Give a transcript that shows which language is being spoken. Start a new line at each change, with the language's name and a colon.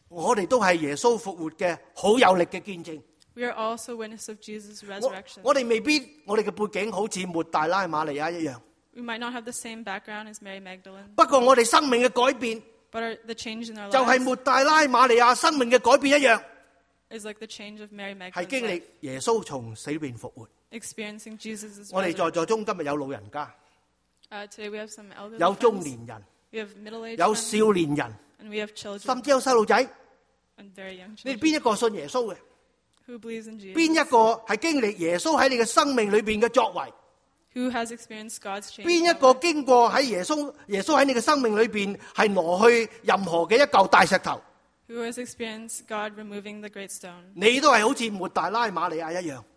Cantonese: 我哋都系耶稣复活嘅好有力嘅见证。
English: We are also witness of Jesus' resurrection.
Cantonese: 我哋未必我哋嘅背景好似抹大拉玛利亚一样。
English: We might not have the same background as Mary Magdalene.
Cantonese: 不过我哋生命嘅改变
English: ，but the change in our lives
Cantonese: 就系抹大拉玛利亚生命嘅改变一样
English: ，is like the change of Mary Magdalene.
Cantonese: 系经历耶稣从死里边复活
English: ，experiencing Jesus.
Cantonese: 我哋在座中今日有老人家
English: ，today we have some elderly.
Cantonese: 有中年人
English: ，we have middle age.
Cantonese: 有少年人
English: ，and we have children.
Cantonese: 甚至有细路仔
English: ，and very young children.
Cantonese: 你边一个信耶稣嘅
English: ？Who believes in Jesus?
Cantonese: 边一个系经历耶稣喺你嘅生命里边嘅作为？
English: Who has experienced God's change?
Cantonese: 边一个经过喺耶稣喺你嘅生命里边系挪去任何嘅一嚿大石头
English: ？Who has experienced God removing the great stone?
Cantonese: 你都系好似抹大拉玛利亚一样。